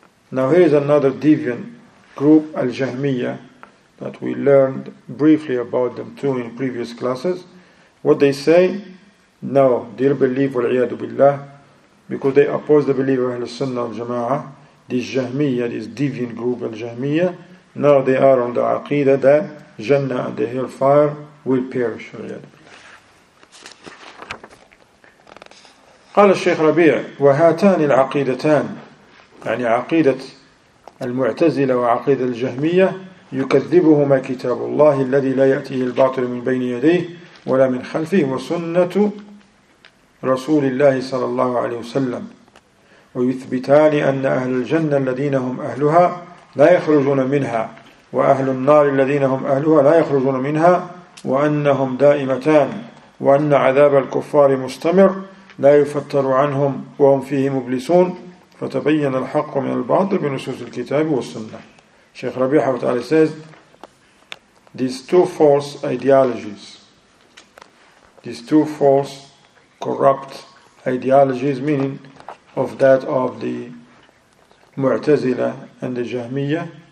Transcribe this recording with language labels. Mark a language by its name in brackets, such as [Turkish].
[English] Now here is another deviant group, Al-Jahmiyyah, that we learned briefly about them too in previous classes. What they say? No, they believe, wal-iyadu billah, because they oppose the believer in the Sunnah al-Jama'ah, this Jahmiyyah, this deviant group al-Jahmiyyah, now they are on the Aqeedah that Jannah and the hellfire will perish. [Arabic] قال الشيخ ربيع وهاتان العقيدتان يعني عقيدة المعتزلة وعقيدة الجهمية يكذبهما كتاب الله الذي لا يأتيه الباطل من بين يديه ولا من خلفه وسنة رسول الله صلى الله عليه وسلم ويثبتان أن أهل الجنة الذين هم أهلها لا يخرجون منها وأهل النار الذين هم أهلها لا يخرجون منها وأنهم دائمتان وأن عذاب الكفار مستمر لا يفتر عنهم وهم فيه مبلسون فتبين الحق من الباطل بنصوص الكتاب والسنة. [English] Sheikh Rabi Hawatali says, these two false ideologies, these two false corrupt ideologies, meaning of that of the Mu'tazila and the Jahmiyyah,